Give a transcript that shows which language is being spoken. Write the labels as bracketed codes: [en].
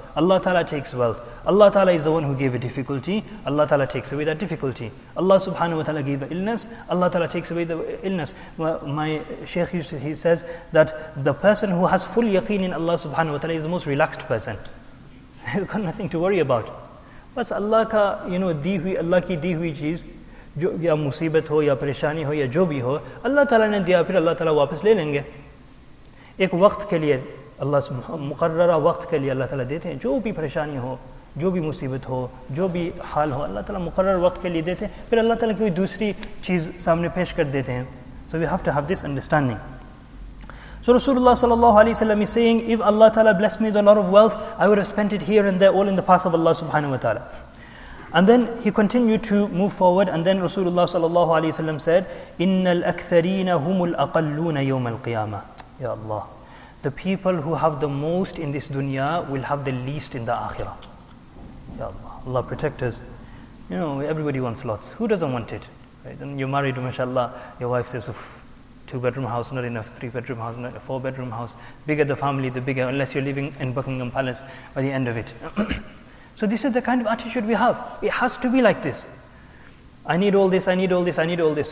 [en] Allah Ta'ala takes wealth. Allah Ta'ala is the one who gave a difficulty. Allah Ta'ala takes away that difficulty. Allah subhanahu wa ta'ala gave an illness. Allah Ta'ala takes away the illness. My Shaykh he says that the person who has full yaqeen in Allah subhanahu wa ta'ala is the most relaxed person. They've got nothing to worry about. [ur] بس اللہ کا اللہ کی دی ہوئی چیز جو یا مصیبت ہو یا پریشانی ہو یا جو بھی ہو اللہ تعالیٰ نے دیا پھر اللہ تعالیٰ واپس لے لیں گے ایک وقت کے لیے اللہ مقررہ وقت کے لیے اللہ تعالیٰ دیتے ہیں جو بھی پریشانی ہو جو بھی مصیبت ہو جو بھی حال ہو اللہ تعالیٰ مقرر وقت کے لیے دیتے ہیں [en] پھر اللہ تعالیٰ کوئی دوسری چیز سامنے پیش کر دیتے ہیں so we have to have this understanding so رسول اللہ صلی اللہ علیہ وسلم از سیئنگ اف اللہ تعالیٰ bless me the lot of wealth I would have spent it here and there all in the path of اللہ سبحانہ و تعالیٰ And then he continued to move forward and then Rasulullah sallallahu alayhi wa sallam said, [ar] إِنَّ الْأَكْثَرِينَ هُمُ الْأَقَلُّونَ يَوْمَ الْقِيَامَةِ [en] Ya Allah, the people who have the most in this dunya will have the least in the akhirah. Ya Allah, Allah protect us. You know, everybody wants lots. Who doesn't want it? Right? And you're married, mashallah, your wife says, two-bedroom house, not enough, three-bedroom house, not enough, four-bedroom house. Bigger the family, the bigger, unless you're living in Buckingham Palace by the end of it. So this is the kind of attitude we have. It has to be like this. I need all this, I need all this, I need all this.